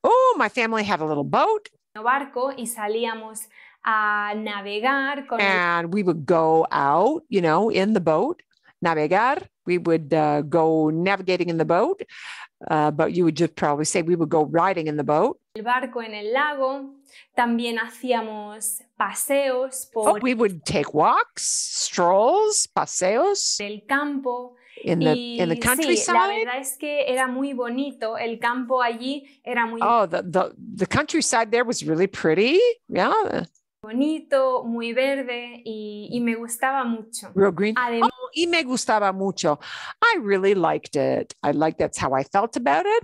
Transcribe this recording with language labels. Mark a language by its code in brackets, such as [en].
[en] Oh, my family had a little boat. [es] Un barco y salíamos a navegar. Con [en] and we would go out, you know, in the boat. Navegar, we would go navigating in the boat, but you would just probably say we would go riding in the boat. [es] El barco en el lago, también hacíamos paseos por... [en] Oh, we would take walks, strolls, paseos. [es] El campo. [en] In the countryside. [es] Sí, la verdad es que era muy bonito. El campo allí era muy... [en] Oh, the countryside there was really pretty, yeah. [es] Bonito, muy verde y me gustaba mucho. [en] Real green. Además, oh, [es] y me gustaba mucho. [en] I really liked it. I liked that's how I felt about it.